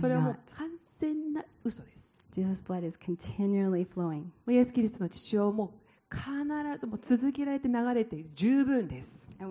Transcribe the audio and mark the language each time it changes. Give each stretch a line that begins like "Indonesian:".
Japanese: それはもう完全な嘘です。
English: Jesus' blood is continually flowing.
Japanese: イエスキリストの血潮も必ずもう続けられて流れて十分です。